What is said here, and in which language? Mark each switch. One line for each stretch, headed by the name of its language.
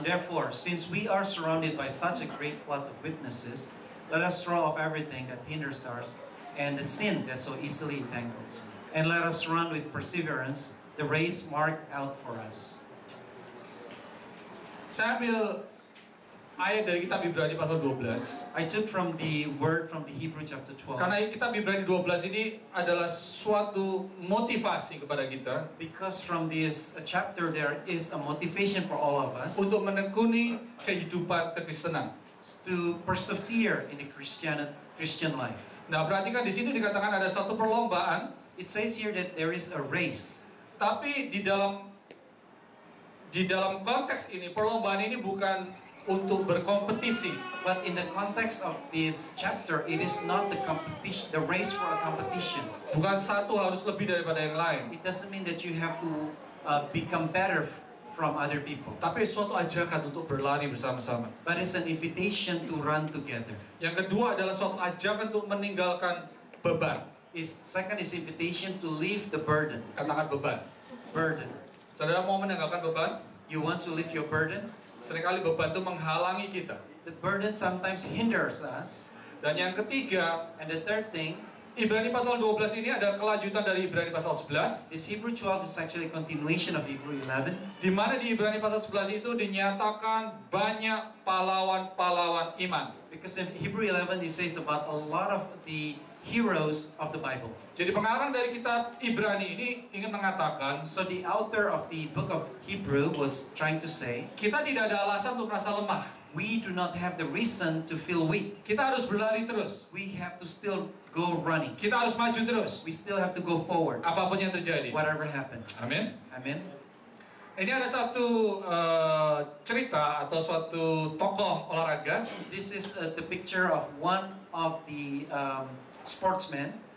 English: Therefore, since we are surrounded by such a great cloud of witnesses, let us throw off everything that hinders us and the sin that so easily entangles, and let us run with perseverance the race marked out for us.
Indonesian: Saya ambil ayat dari kitab Ibrani pasal 12.
English: I took from the word from the Hebrew chapter 12.
Indonesian: Karena kitab Ibrani 12 ini adalah suatu motivasi kepada kita.
English: Because from this chapter there is a motivation for all of us.
Indonesian: Untuk menekuni kehidupan kekristenan.
English: To persevere in the Christian life.
Indonesian: Nah, perhatikan di sini dikatakan ada suatu perlombaan.
English: It says here that there is a race.
Indonesian: Tapi di dalam konteks ini perlombaan ini bukan untuk berkompetisi.
English: But in the context of this chapter, it is not the competition, the race for a competition.
Indonesian: Bukan satu harus lebih daripada yang lain.
English: It doesn't mean that you have to become better from other people.
Indonesian: Tapi suatu ajakan untuk berlari bersama-sama.
English: But it's an invitation to run together.
Indonesian: Yang kedua adalah suatu ajakan untuk meninggalkan beban.
English: Is second is invitation to leave the burden.
Indonesian: Katakan beban.
English: Burden.
Indonesian: Saudara mau meninggalkan beban?
English: You want to leave your burden?
Indonesian: Seringkali beban itu menghalangi kita.
English: The burden sometimes hinders us.
Indonesian: Dan yang ketiga,
English: and the third thing,
Indonesian: Ibrani pasal 12 ini adalah kelanjutan dari Ibrani pasal 11.
English: This Hebrew 12 is actually a continuation of Hebrew 11.
Indonesian: Di mana di Ibrani pasal 11 itu dinyatakan banyak pahlawan-pahlawan iman.
English: Because in Hebrew 11 it says about a lot of the heroes of the Bible.
Indonesian: Jadi pengarang dari kitab Ibrani ini ingin mengatakan,
English: so the author of the book of Hebrew was trying to say,
Indonesian: kita tidak ada alasan untuk merasa lemah.
English: We do not have the reason to feel weak.
Indonesian: Kita harus berlari terus.
English: We have to still go running.
Indonesian: Kita harus maju terus.
English: We still have to go forward.
Indonesian: Apapun yang terjadi.
English: Whatever happened.
Indonesian: Amin.
English: Amin.
Indonesian: Ini ada satu cerita atau suatu tokoh olahraga.
English: This is the picture of one of the sportsmen.